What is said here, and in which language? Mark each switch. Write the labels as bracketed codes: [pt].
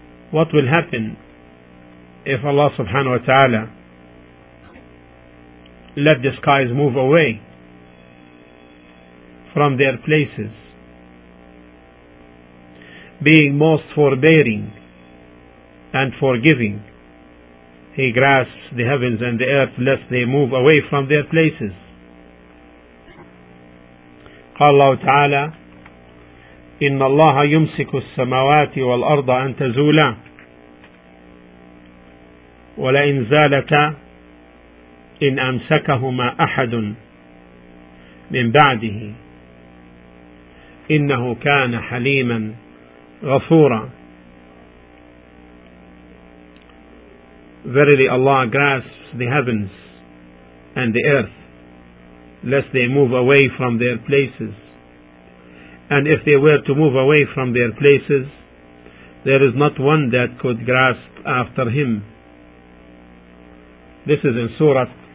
[en] What will happen if Allah subhanahu wa ta'ala let the skies move away from their places, being most forbearing and forgiving? He grasps the heavens and the earth lest they move away from their places. [ar] قال الله تعالى إن الله يمسك السماوات والأرض أن تزولا ولئن زالتا إن أمسكهما أحد من بعده إنه كان حليما غفورا. [en] Verily Allah grasps the heavens and the earth lest they move away from their places. And if they were to move away from their places, there is not one that could grasp after him. This is in Surah